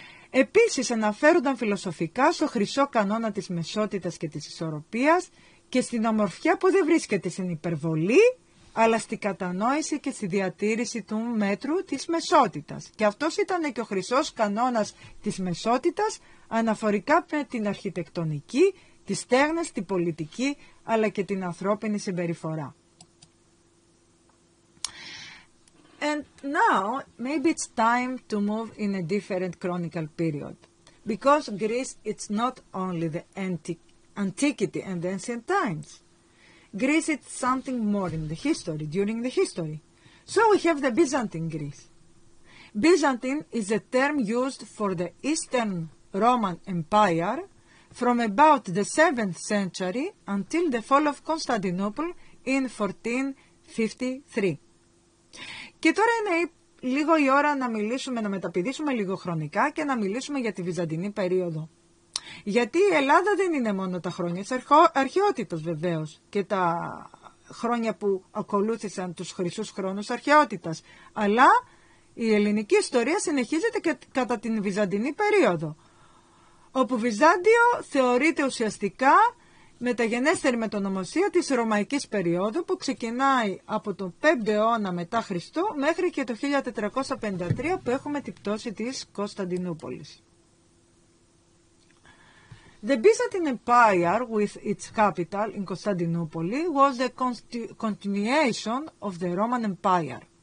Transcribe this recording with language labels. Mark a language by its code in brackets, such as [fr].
[el] Επίσης αναφέρονταν φιλοσοφικά στο χρυσό κανόνα της μεσότητας και της ισορροπίας και στην ομορφιά που δεν βρίσκεται στην υπερβολή, αλλά στη κατανόηση και στη διατήρηση του μέτρου της μεσότητας. Και αυτός ήταν και ο χρυσός κανόνας της μεσότητας αναφορικά με την αρχιτεκτονική, τις τέχνες, την πολιτική, αλλά και την ανθρώπινη συμπεριφορά. [en] And now, maybe it's time to move in a different chronical period. Because Greece, it's not only the antiquity and the ancient times. Greece, it's something more in the history, during the history. So we have the Byzantine Greece. Byzantine is a term used for the Eastern Roman Empire from about the 7th century until the fall of Constantinople in 1453. [el] Και τώρα είναι λίγο η ώρα να μιλήσουμε, να μεταπηδήσουμε λίγο χρονικά και να μιλήσουμε για τη Βυζαντινή περίοδο. Γιατί η Ελλάδα δεν είναι μόνο τα χρόνια της αρχαιότητας βεβαίως και τα χρόνια που ακολούθησαν τους χρυσούς χρόνους αρχαιότητας, αλλά η ελληνική ιστορία συνεχίζεται και κατά την Βυζαντινή περίοδο, όπου Βυζάντιο θεωρείται ουσιαστικά μεταγενέστερη μετονομοσία της Ρωμαϊκής περίοδου που ξεκινάει από τον 5ο αιώνα μετά Χριστού μέχρι και το 1453 που έχουμε την πτώση της Κωνσταντινούπολης. [en] The Byzantine Empire with its capital in Constantinople was the continuation of the Roman Empire.